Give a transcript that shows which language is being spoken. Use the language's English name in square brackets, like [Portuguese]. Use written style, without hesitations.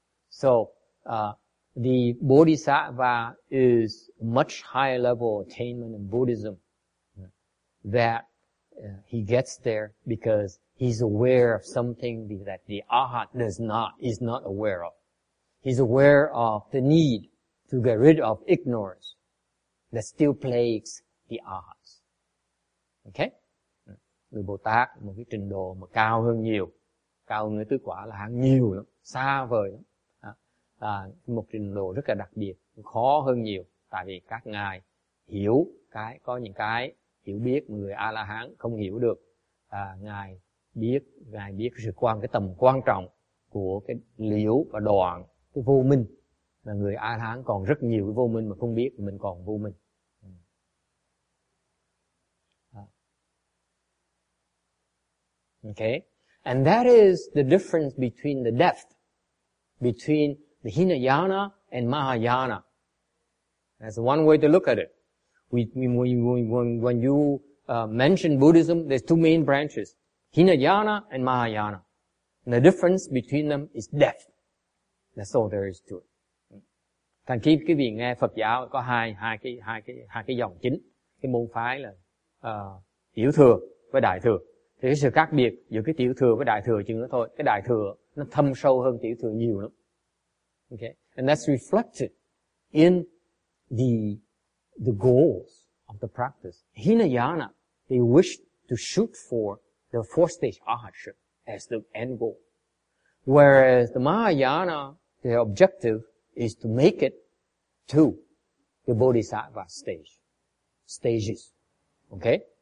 [English] So, the Bodhisattva is much higher level attainment in Buddhism, that he gets there because he's aware of something that the Arhat is not aware of. He's aware of the need to get rid of ignorance that still plagues the Arhats. Okay? [Vietnamese] Người Bồ Tát một cái trình độ mà cao hơn nhiều, cao hơn cái tứ quả là hạng nhiều lắm, xa vời lắm. À, một trình độ rất là đặc biệt, khó hơn nhiều, tại vì các ngài hiểu cái, có những cái hiểu biết người A-la-hán không hiểu được. À, ngài biết sự quan, cái tầm quan trọng của cái liễu và đoạn cái vô minh, là người A-la-hán còn rất nhiều cái vô minh mà không biết mình còn vô minh. [English] Okay, and that is the difference between the depth between the Hinayana and Mahayana. That's one way to look at it. When you mention Buddhism, there's two main branches, Hinayana and Mahayana. And the difference between them is depth. That's all there is to it. [Vietnamese] Thành khi quý vị nghe Phật giáo có hai cái dòng chính, cái môn phái là tiểu thừa với đại thừa. Thì cái sự khác biệt giữa cái tiểu thừa với đại thừa chừng đó thôi. Cái đại thừa nó thâm sâu hơn tiểu thừa nhiều lắm. [English] Okay, and that's reflected in the goals of the practice. Hinayana, they wish to shoot for the fourth stage Arhatship as the end goal. Whereas the Mahayana, their objective is to make it to the Bodhisattva stages. Okay?